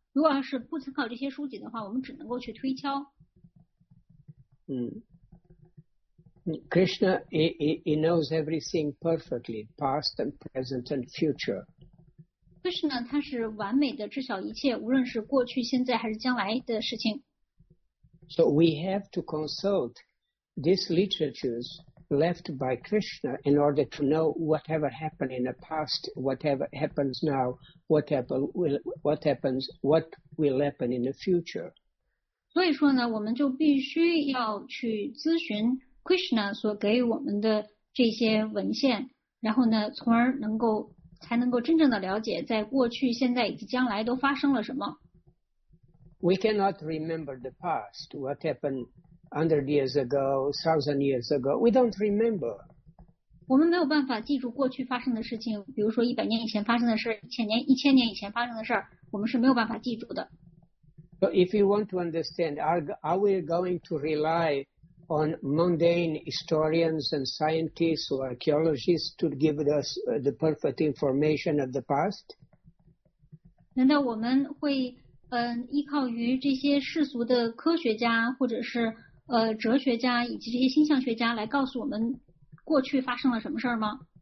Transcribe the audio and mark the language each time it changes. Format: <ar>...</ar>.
<zh>如果要是不参考这些书籍的话，我们只能够去推敲。</zh> <en>Krishna, he knows everything perfectly, past and present and future.</en> <zh>Krishna, 他是完美的知晓一切，无论是过去、现在还是将来的事情。</zh> <en>So we have to consult these literatures left by Krishna in order to know whatever happened in the past, whatever happens now, what will happen in the future.</en> <zh>所以说呢，我们就必须要去咨询 Krishna 所给我们的这些文献，然后呢，从而能够真正的了解在过去、现在以及将来都发生了什么。</zh> <en>We cannot remember the past, what happened 100 years ago, 1,000 years ago. We don't remember.</en> <zh>我们没有办法记住过去发生的事情，比如说100年以前发生的事，1000年以前发生的事，我们是没有办法记住的。</zh> <en>So if you want to understand, are we going to rely on mundane historians and scientists or archaeologists to give us the perfect information of the past?</en> <zh>难道我们会依靠于这些世俗的科学家或者是哲学家以及这些星象学家来告诉我们过去发生了什么事吗？</zh>